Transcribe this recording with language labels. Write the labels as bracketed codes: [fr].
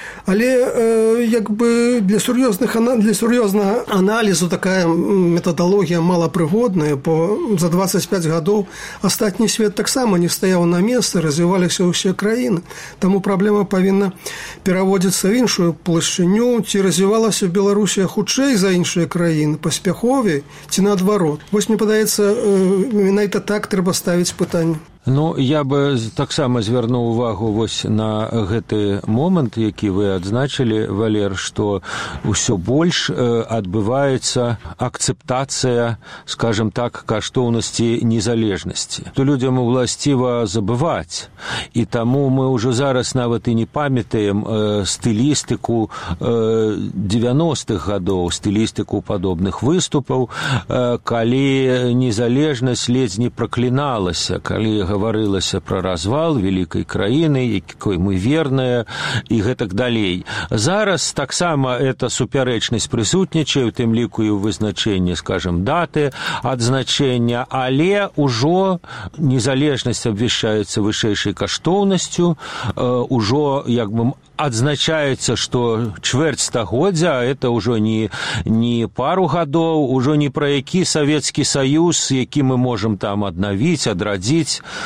[be] Але якбы для сур'ёзнага аналізу такая метадалогія малапрыгодная, бо за 25 гадоў астатні свет таксама не стаяў на месцы, развіваліся ўсе краіны. Таму праблема павінна пераводзіцца ў іншую плашчыню, ці развівалася Беларусь хутчэй за іншыя краіны, паспяховей, ці наадварот. Вось мне падаецца, менавіта так трэба ставіць пытанне. [uk] Ну, я бы таксама звернув увагу вось на гэты момент, який ви адзначили, Валер, що усе більш відбувається акцептація, скажем так, каштовності незалежності. То людям властиво забувати. І тому ми вже зараз навіть і не пам'ятаємо стилістику 90-х годів, стилістику подобних виступів, коли незалежність ледь не проклиналася, коли [be] гаварылася пра развал вялікай краіны, якой мы верныя і гэтак далей. Зараз таксама эта супярэчнасць прысутнічае, у тым ліку і ў вызначэнні, скажам, даты адзначэння, але ўжо незалежнасць абвяшчаецца вышэйшай каштоўнасцю, ўжо як бы адзначаецца, што чвэрць стагоддзя, это ўжо не пару гадоў, ўжо не пра які Савецкі Саюз, які мы можам там аднавіць, адрадзіць.